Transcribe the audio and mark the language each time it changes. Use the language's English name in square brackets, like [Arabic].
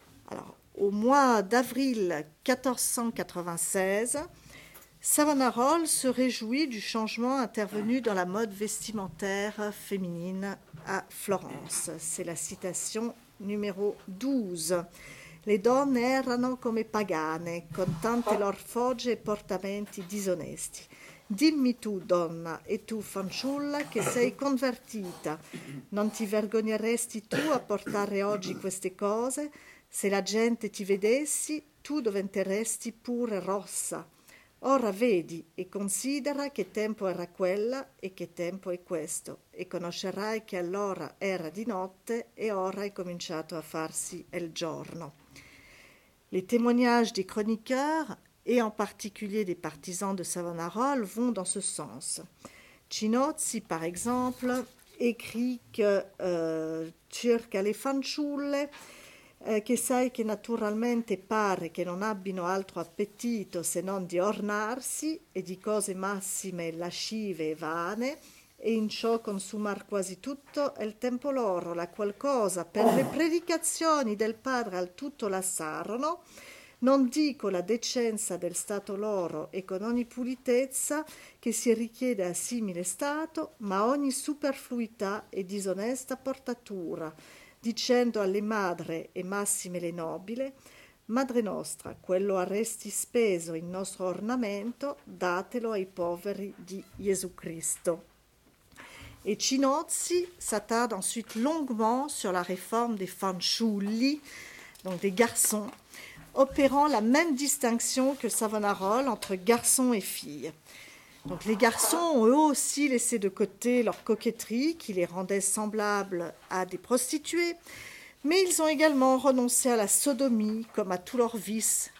[French] Alors, au mois d'avril 1496, Savonarole se réjouit du changement intervenu dans la mode vestimentaire féminine à Florence. C'est la citation numéro 12. [Italian] Les donne erano come pagane, con tante lor foge e portamenti disonesti. Dimmi tu, donna, e tu, fanciulla, che sei convertita. Non ti vergogneresti tu a portare oggi queste cose? Se la gente ti vedessi, tu diventeresti pure rossa. Ora vedi e considera che tempo era quella e che tempo è questo, e conoscerai che allora era di notte e ora è cominciato a farsi il giorno. [French] Les témoignages des chroniqueurs, et en particulier des partisans de Savonarole, vont dans ce sens. [Italian] Cinozzi, [French] par exemple, écrit que [Italian] circa le fanciulle, che sai che naturalmente pare che non abbino altro appetito se non di ornarsi e di cose massime lascive e vane, e in ciò consumar quasi tutto il tempo loro, la qualcosa per le predicazioni del padre al tutto lassarono, non dico la decenza del stato loro e con ogni pulitezza che si richiede a simile stato, ma ogni superfluità e disonesta portatura, dicendo alle madre e massime le nobile, madre nostra, quello avresti speso in nostro ornamento, datelo ai poveri di Gesù Cristo. [French] Et Cinozzi s'attarde ensuite longuement sur la réforme des fanciulli, donc des garçons, opérant la même distinction que Savonarole entre garçons et filles. Donc les garçons ont eux aussi laissé de côté leur coquetterie qui les rendait semblables à des prostituées, mais ils ont également renoncé à la sodomie comme à tous leurs vices.